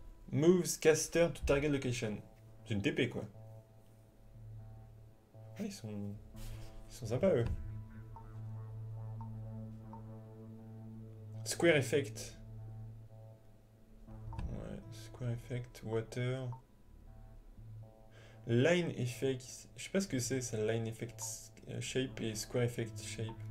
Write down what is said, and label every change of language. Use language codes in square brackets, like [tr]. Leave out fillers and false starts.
[en] Moves caster to target location. [fr] C'est une TP, quoi. Ouais, ils sont sympas, eux. [en] Square effect. Square effect, water. Line effect. [fr] Je sais pas ce que c'est, ça. [en] Line effect shape et square effect shape.